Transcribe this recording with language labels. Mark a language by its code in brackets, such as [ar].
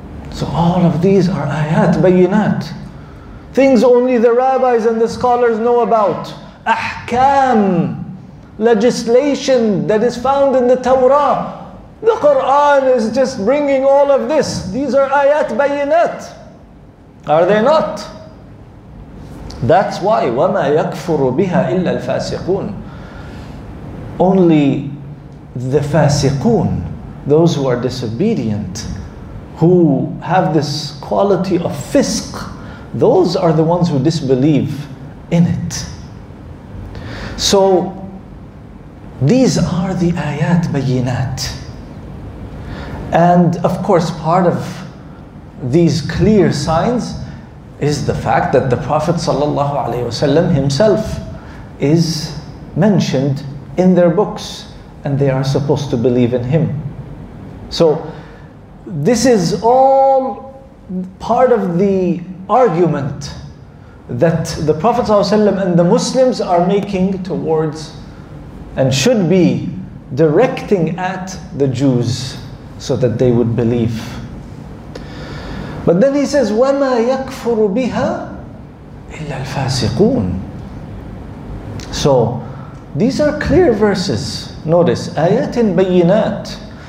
[en] So all of these are ayat bayinat. Things only the rabbis and the scholars know about. Ahkam. Legislation that is found in the Torah. The Quran is just bringing all of this. These are ayat bayinat. Are they not? That's why, [ar] وَمَا يَكْفُرُ بِهَا إِلَّا الْفَاسِقُونَ. [en] Only the fasiqun, those who are disobedient, who have this quality of fisq, those are the ones who disbelieve in it. So these are the ayat bayinat. And of course, part of these clear signs is the fact that the Prophet sallallahu alaihi wasallam himself is mentioned in their books, and they are supposed to believe in him. So this is all part of the argument that the Prophet ﷺ and the Muslims are making towards and should be directing at the Jews so that they would believe. But then he says, [ar] وَمَا يَكْفُرُ بِهَا إِلَّا الْفَاسِقُونَ. [en] So these are clear verses. Notice, [ar] آيَاتٍ بَيِّنَاتٍ.